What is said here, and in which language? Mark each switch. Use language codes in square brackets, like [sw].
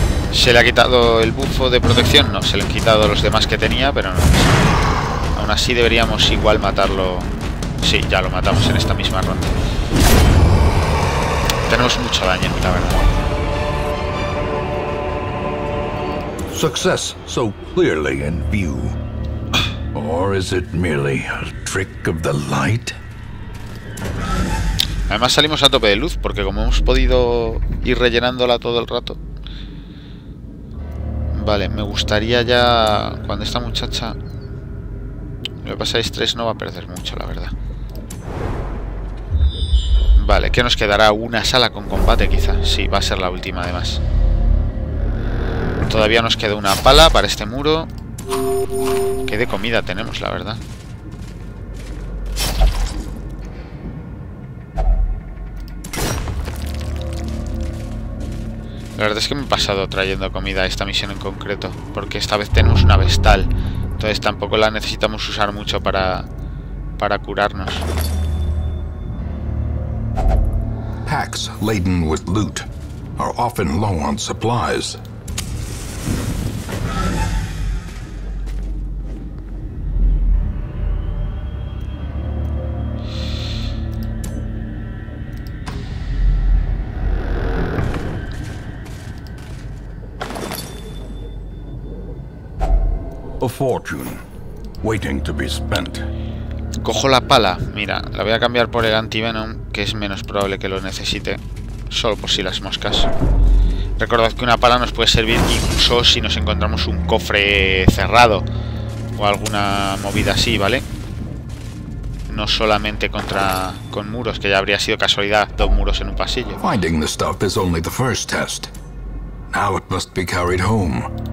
[es] ¿Se le ha quitado el buffo de protección? No, se le han quitado los demás que tenía, pero no. Aún así deberíamos igual matarlo. Sí, ya lo matamos en esta misma ronda. Tenemos mucho daño, la verdad. [en] Success so clearly in view, or is it merely a trick of the light? [es] Además salimos a tope de luz porque como hemos podido ir rellenándola todo el rato. Vale, me gustaría ya cuando esta muchacha le pase estrés no va a perder mucho, la verdad. Vale, que nos quedará una sala con combate quizá. Sí, va a ser la última además. Todavía nos queda una pala para este muro. Qué de comida tenemos, la verdad. La verdad es que me he pasado trayendo comida a esta misión en concreto. Porque esta vez tenemos una vestal. Entonces tampoco la necesitamos usar mucho para... para curarnos. [en] Packs laden with loot are often low on supplies. A fortune waiting to be spent. [es] Cojo la pala, mira, la voy a cambiar por el antivenom, que es menos probable que lo necesite, solo por si las moscas. Recordad que una pala nos puede servir incluso si nos encontramos un cofre cerrado o alguna movida así, ¿vale? No solamente con muros, que ya habría sido casualidad, dos muros en un pasillo. [en] Finding the stuff is only the first test. Now it must be carried home.